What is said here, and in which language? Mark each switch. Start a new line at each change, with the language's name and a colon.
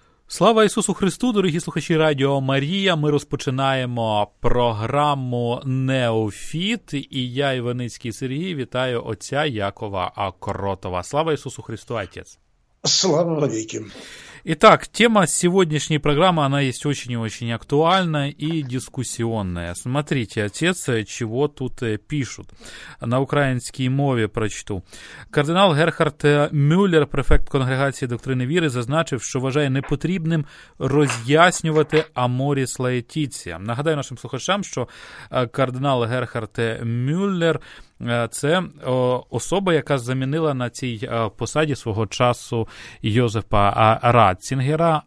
Ukrainian: Слава Ісусу Христу, дорогі слухачі Радіо Марія. Ми розпочинаємо програму «Неофіт». І я, Іваницький Сергій, вітаю отця Якова Акротова. Слава Ісусу Христу, отець. Слава навіки.
Russian: Итак, тема сегодняшней программы, она есть очень и очень актуальна и дискуссионная. Смотрите, отец, чего тут пишут. На украинской мове прочту.
Ukrainian: Кардинал Герхард Мюллер, префект конгрегации доктрины веры, зазначив, что вважає непотрібним роз'яснювати аморіс лаетіція. Нагадаю нашим слухачам, що кардинал Герхард Мюллер – це особа, яка замінила на цій посаді свого часу Йозефа Ратцінгера.